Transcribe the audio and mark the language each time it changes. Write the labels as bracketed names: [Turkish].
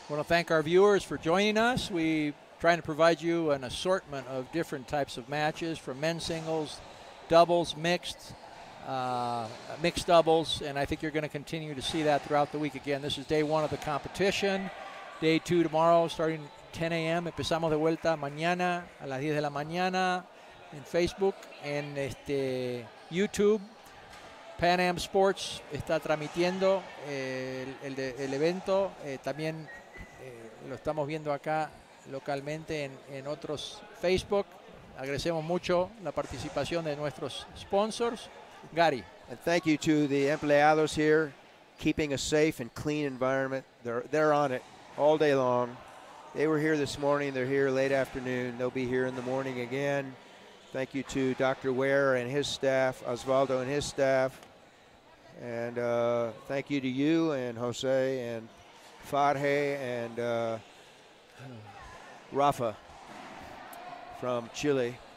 [English] I want to thank our viewers for joining us. We're trying to provide you an assortment of different types of matches, from men's singles, doubles, mixed doubles, and I think you're going to continue to see that throughout the week. Again, this is day one of the competition. Day two tomorrow, starting 10 a.m. [Spanish] Empezamos de vuelta mañana a las 10 de la mañana. En Facebook, en este YouTube, Pan Am Sports está transmitiendo el evento. También lo estamos viendo acá localmente en otros Facebook. Agradecemos mucho la participación de nuestros sponsors. Gary. [English] And thank you to the [Spanish] empleados [English] here, keeping a safe and clean environment. They're on it all day long. They were here this morning. They're here late afternoon. They'll be here in the morning again. Thank you to Dr. Ware and his staff, Osvaldo and his staff. And thank you to you and Jose and Farhe and Rafa from Chile.